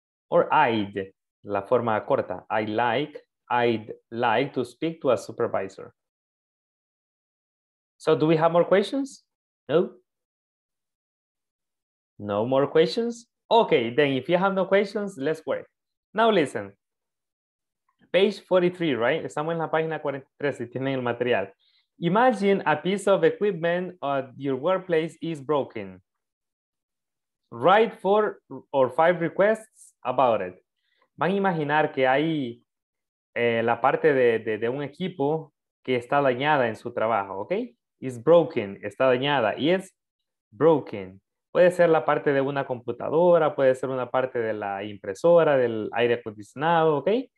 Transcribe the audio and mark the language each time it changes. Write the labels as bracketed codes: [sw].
[en] Or I'd, [es] la forma corta, [en] I'd like to speak to a supervisor. So do we have more questions? No? No more questions? Okay, then if you have no questions, let's work. Now listen. Page 43, right? [es] Estamos en la página 43, si tienen el material. [en] Imagine a piece of equipment at your workplace is broken. Write 4 or 5 requests about it. [es] Van a imaginar que hay la parte de un equipo que está dañada en su trabajo, ¿ok? [en] Is broken, [es] está dañada, [en] is broken. [es] Puede ser la parte de una computadora, puede ser una parte de la impresora, del aire acondicionado, ¿ok?